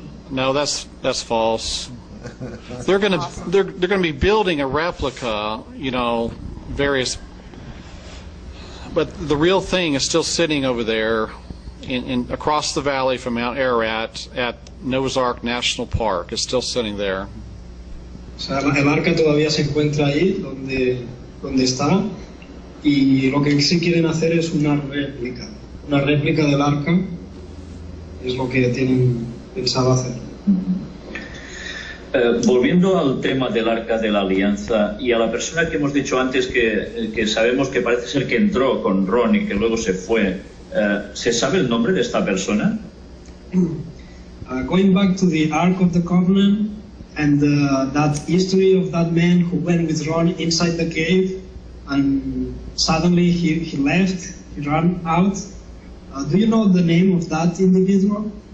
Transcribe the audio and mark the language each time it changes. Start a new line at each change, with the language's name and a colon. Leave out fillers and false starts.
English: No, that's false. They're going to be building a replica, you know, various. But the real thing is still sitting over there, in across the valley from Mount Ararat at Noah's Ark National Park. It's still sitting there.
Spanish: O sea, el arca todavía se encuentra ahí, donde está, y lo que sí quieren hacer es una réplica del arca. Es lo que tienen pensado hacer. Volviendo al tema del Arca de la Alianza y a la persona que hemos dicho antes que sabemos que parece ser que entró con Ron y que luego se fue, ¿se sabe el nombre de esta persona?
English: Going back to the Ark of the Covenant and that history of that man who went with Ron inside the cave and suddenly he left, he ran out. Do you know the name of that individual?